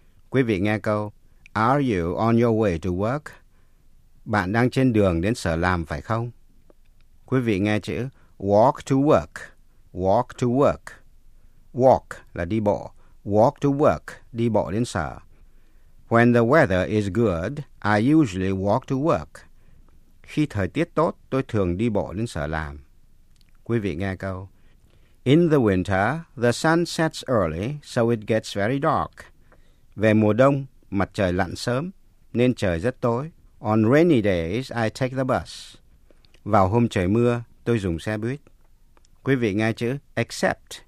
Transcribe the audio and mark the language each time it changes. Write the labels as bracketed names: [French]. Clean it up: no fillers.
[Vietnamese] Quý vị nghe câu [English] Are you on your way to work? [Vietnamese] Bạn đang trên đường đến sở làm phải không? Quý vị nghe chữ [English] walk to work, walk to work. [Vietnamese] Walk là đi bộ, [English] walk to work, [Vietnamese] đi bộ đến sở. [English] When the weather is good, I usually walk to work. [Vietnamese] Khi thời tiết tốt, tôi thường đi bộ đến sở làm. Quý vị nghe câu. [English] In the winter, the sun sets early, so it gets very dark. [Vietnamese] Về mùa đông, mặt trời lặn sớm, nên trời rất tối. [English] On rainy days, I take the bus. [Vietnamese] Vào hôm trời mưa, tôi dùng xe buýt. Quý vị nghe chữ except.